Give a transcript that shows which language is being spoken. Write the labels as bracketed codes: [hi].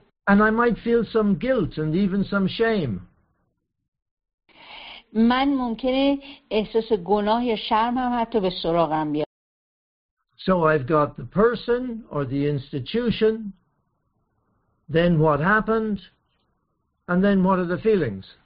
[en] And I might feel some guilt and even some shame. [fa] من ممکنه احساس گناه یا شرم هم حتی به سراغم بیاد. [en] So I've got the person or the institution, then what happened, and then what are the feelings?